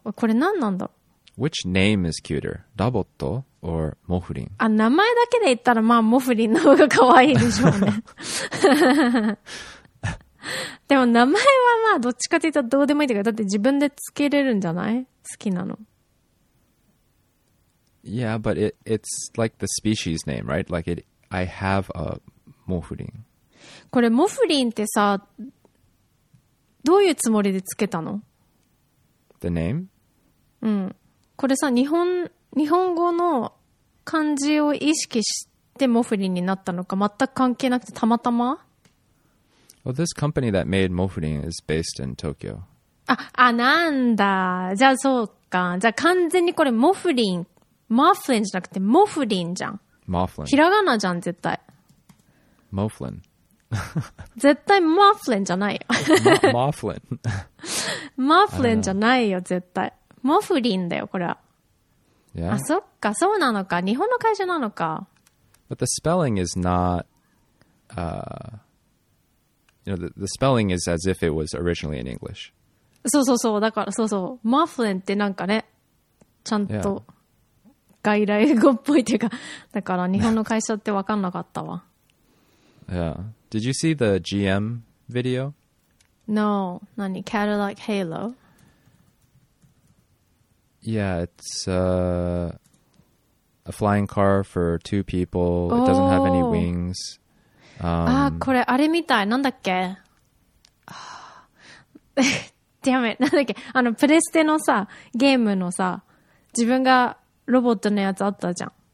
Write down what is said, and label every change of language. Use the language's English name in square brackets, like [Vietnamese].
[Japanese] これ何なんだろう。 [English] Which name is cuter? [Japanese] ダボット or モフリン？あ、名前だけで言ったらまあモフリンの方が可愛いでしょうね。でも名前はまあどっちかというとどうでもいいというか、だって自分でつけれるんじゃない？好きなの。 [English] Yeah, but it's like the species name, right? Like it, I have a モフリン。 [Japanese] これモフリンってさ、どういうつもりでつけたの [English] ？The name？ [Japanese] うん。これさ、日本語の漢字を意識してモフリンになったのか、全く関係なくてたまたま [English] ？Well, this company that made モフリン is based in Tokyo. [Japanese] あ、なんだ。じゃあそうか。じゃあ完全にこれモフリン、マフリンじゃなくてモフリンじゃん。マフリン。ひらがなじゃん、絶対。モフリン。絶対マフリンじゃないよ。マフリン。マフリンじゃないよ、絶対。モフリンだよ、これは。 [English] Yeah. [Japanese] あ、そっか、そうなのか。日本の会社なのか。 [English] But the spelling is not, you know, the spelling is as if it was originally in English. [Japanese] そうそうそう、だからそうそう。マフリンってなんかね、ちゃんと外来語っぽいっていうか、だから日本の会社って分かんなかったわ。 [English] Yeah. Did you see the GM video? No. 何?Cadillac Halo? Yeah, it's a flying car for two people. It doesn't have any wings. [Japanese] ああ、これあれみたい。なんだっけ? [English] Damn it. [Japanese] なんだっけ? あの、プレステのさ、ゲームのさ、自分がロボットのやつあったじゃん。